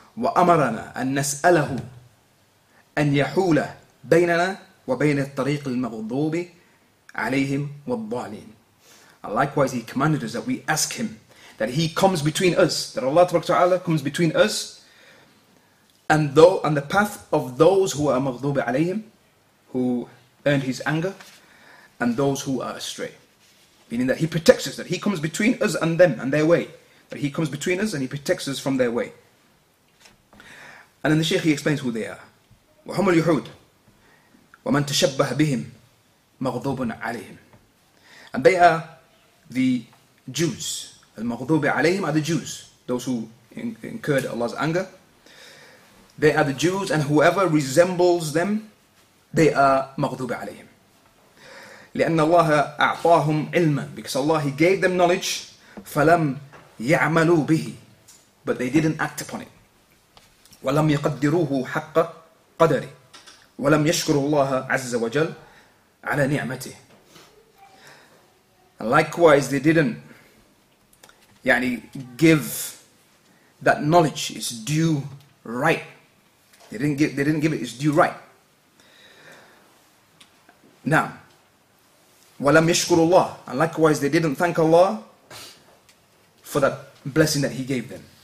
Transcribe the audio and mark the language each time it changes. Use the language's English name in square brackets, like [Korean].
[Arabic] وأمرنا أن نسأله أن يحول بيننا وبين الطريق المغضوب عليهم والضالين. [English] Likewise, He commanded us that we ask Him, that He comes between us, that Allah Ta'ala comes between us and the path of those who are maghdubi alayhim, who earned His anger, and those who are astray. Meaning that He protects us, that He comes between us and them and their way. That He comes between us and He protects us from their way. And then the Shaykh, he explains who they are. [Arabic] وَهُمُ الْيُحُودِ وَمَنْ تَشَبَّهَ بِهِمْ مَغْضُوبٌ عَلَيْهِمْ. [English] And they are the Jews. Al-Maghdubi alayhim are the Jews, those who incurred Allah's anger. They are the Jews, and whoever resembles them, they are maghdubi alayhim. [Arabic] لأن الله أعطاهم علما, [English] because Allah, He gave them knowledge, [Arabic] فلم يعملوا به, [English] but they didn't act upon it. [Arabic] ولم يقدروه حق قدره, ولم يشكروا الله عز وجل على نعمته. [English] Likewise, they didn't give that knowledge its due right. They didn't give it its due right. Now, [Arabic] وَلَمْ يَشْكُرُ اللَّهُ, [English] and likewise they didn't thank Allah for that blessing that He gave them.